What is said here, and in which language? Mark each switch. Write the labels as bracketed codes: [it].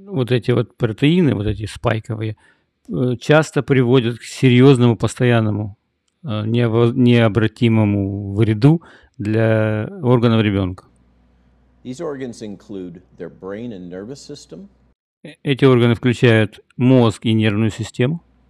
[ru] Эти протеины, вот эти спайковые, часто приводят к серьезному, постоянному, необратимому вреду для органов ребенка. [en] These organs include their brain and nervous system. [ru] Эти органы включают мозг и нервную систему.